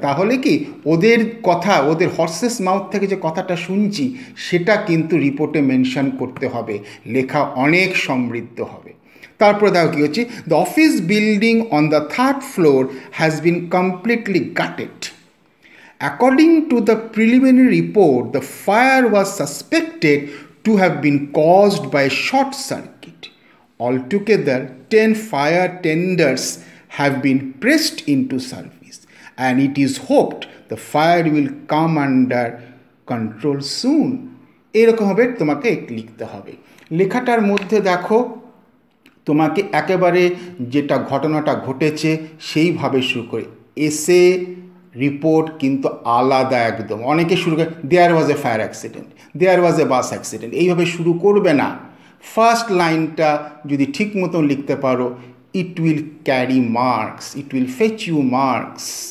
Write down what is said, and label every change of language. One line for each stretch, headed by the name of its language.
Bangla: তাহলে কি ওদের কথা, ওদের হর্সেস মাউথ থেকে যে কথাটা শুনছি সেটা কিন্তু রিপোর্টে মেনশন করতে হবে, লেখা অনেক সমৃদ্ধ হবে। তারপরে দেখো কী হচ্ছে,
English: The office building on the 3rd floor has been completely gutted, according to the preliminary report the fire was suspected to have been caused by a short circuit. Altogether, 10 fire tenders have been pressed into service, and it is hoped the fire will come under control soon.
Bangla: এরকম হবে তোমাকে লিখতে হবে লেখাটার মধ্যে দেখো তোমাকে একেবারে যেটা ঘটনাটা ঘটেছে সেইভাবে শুরু করে এসে রিপোর্ট কিন্তু আলাদা একদম অনেকে শুরু করে
English: there was a fire accident there was a bus accident
Bangla: এইভাবে শুরু করবে না ফার্স্ট লাইনটা যদি ঠিক মতন লিখতে পারো
English: it will carry marks it will fetch you marks